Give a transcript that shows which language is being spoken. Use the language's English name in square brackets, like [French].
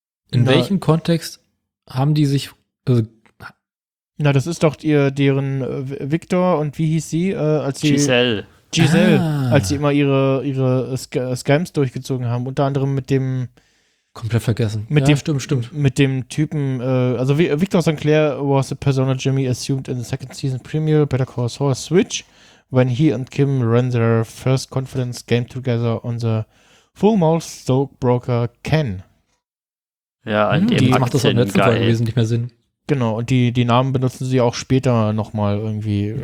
[German] Welchem Kontext haben die sich... Na, das ist doch deren Victor und wie hieß sie? Giselle. Als sie immer ihre Scams durchgezogen haben, unter anderem mit dem... Komplett vergessen. Mit dem, stimmt. Mit dem Typen, also [English] Victor Sinclair was the persona Jimmy assumed in the second season premiere Better Call Saul Switch, when he and Kim ran their first confidence game together on the Full Mouth Stoke Broker Ken. [German] Ja, an dem Aktien macht das auch in der letzten Folge wesentlich mehr Sinn. Genau, und die Namen benutzen sie auch später nochmal irgendwie.